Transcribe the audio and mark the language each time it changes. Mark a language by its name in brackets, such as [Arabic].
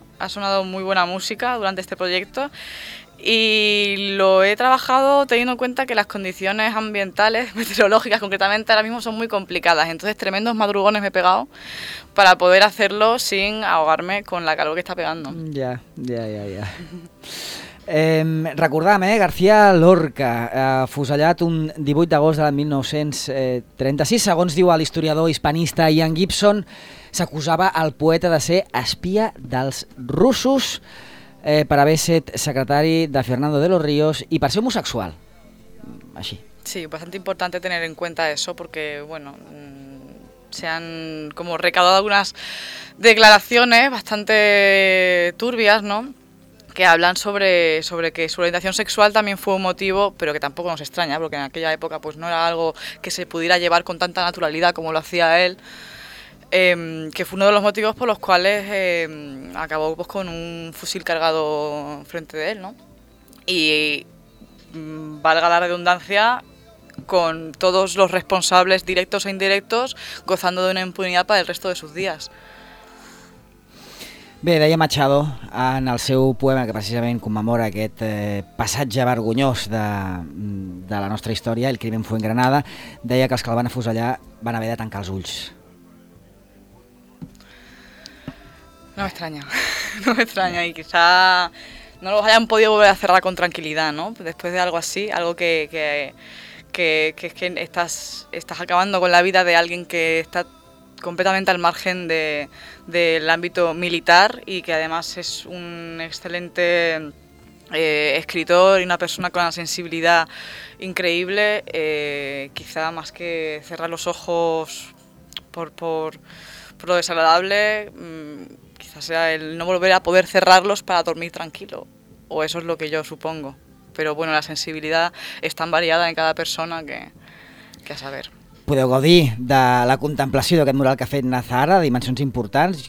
[Spanish] Ha sonado muy buena música durante este proyecto y lo he trabajado teniendo en cuenta que las condiciones ambientales, meteorológicas concretamente, ahora mismo son muy complicadas. Entonces, tremendos madrugones me he pegado para poder hacerlo sin ahogarme con la calor que está pegando. Ya, ya, ya, ya. [Catalan] Recordem, García Lorca, afusellat un 18 d'agost de 1936, segons diu l'historiador hispanista Ian Gibson, s'acusava al poeta de ser espia dels russos per haver estat secretari de Fernando de los Ríos i per ser homosexual. Així. [Spanish] Sí, bastante importante tener en cuenta eso porque, bueno, se han como recaudado algunas declaraciones bastante turbias, ¿no?, que hablan sobre que su orientación sexual también fue un motivo, pero que tampoco nos extraña, porque en aquella época pues no era algo que se pudiera llevar con tanta naturalidad como lo hacía él, que fue uno de los motivos por los cuales acabó pues, con un fusil cargado frente de él, ¿no? Y valga la redundancia, con todos los responsables directos e indirectos gozando de una impunidad para el resto de sus días. [Catalan] Bé, deia Machado en el seu poema que precisament commemora aquest passatge vergonyós de la nostra història, El crimen fue en Granada, deia que els que el van afusellar van haver de tancar els ulls. [Spanish] No me extraña, no me extraña, y quizá no los hayan podido volver a cerrar con tranquilidad, ¿no? Después de algo así, algo que estás acabando con la vida de alguien que está completamente al margen del ámbito militar y que además es un excelente escritor y una persona con una sensibilidad increíble, quizá más que cerrar los ojos por lo desagradable, quizás sea el no volver a poder cerrarlos para dormir tranquilo, o eso es lo que yo supongo. Pero bueno, la sensibilidad es tan variada en cada persona que a saber. [Catalan] Podeu gaudir de la contemplació d'aquest mural que ha fet Nazar, de dimensions importants.